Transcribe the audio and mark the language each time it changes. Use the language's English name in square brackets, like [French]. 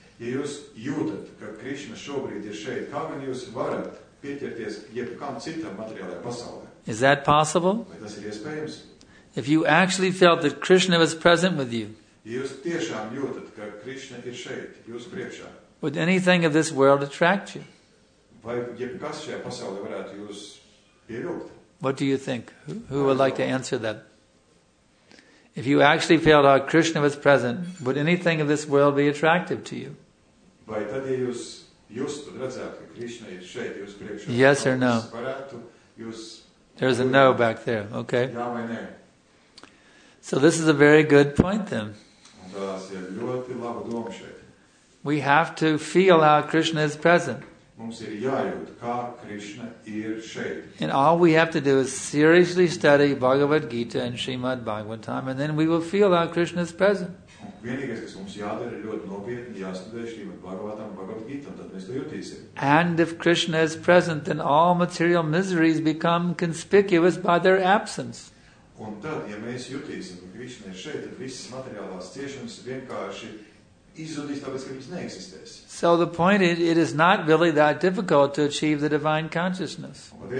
[Latvian] Ja jūs jūtat, ka Krishna šobrīd ir šeit, kā gan jūs varat pieķerties jebkam citam materiālajā pasaulē? [English] Is that possible? [Latvian] Vai tas ir iespējams? [English] If you actually felt that Krishna was present with you, [Latvian] ja jūs tiešām jūtat, ka Krishna ir šeit, jūs priekšā, [English] would anything of this world attract you? [Latvian] Vai jebkas šajā pasaulē varētu jūs pievilkt? [English] What do you think? Who would like to answer that? If you actually felt how Krishna was present, would anything of this world be attractive to you? [Latvian] Vai tad, ja jūs justu, redzētu, ka Krishna ir šeit, jūs priekšā? [English] Yes or no? [Latvian] Varētu jūs... [English] There's a no back there, okay? [Latvian] Jā vai nē? [English] So this is a very good point then. [Latvian] Un tās ir ļoti laba doma šeit. [English] We have to feel how Krishna is present. [Latvian] Mums ir jājūt, kā Krishna ir šeit. [English] And all we have to do is seriously study Bhagavad Gita and Srimad Bhagavatam, and then we will feel how Krishna is present. [Latvian] Vienīgais, kas mums jādara, ir ļoti nopietni jāstudē Srimad Bhagavatam, Bhagavad Gita, tad mēs to jūtīsim. [English] And if Krishna is present, then all material miseries become conspicuous by their absence. [Latvian] Un tad, ja mēs jūtīsim, ka Krishna ir šeit, tad visas materiālās ciešanas vienkārši izzudīs, tāpēc, ka viņas neeksistēs. [English] So the point is, it is not really that difficult to achieve the divine consciousness.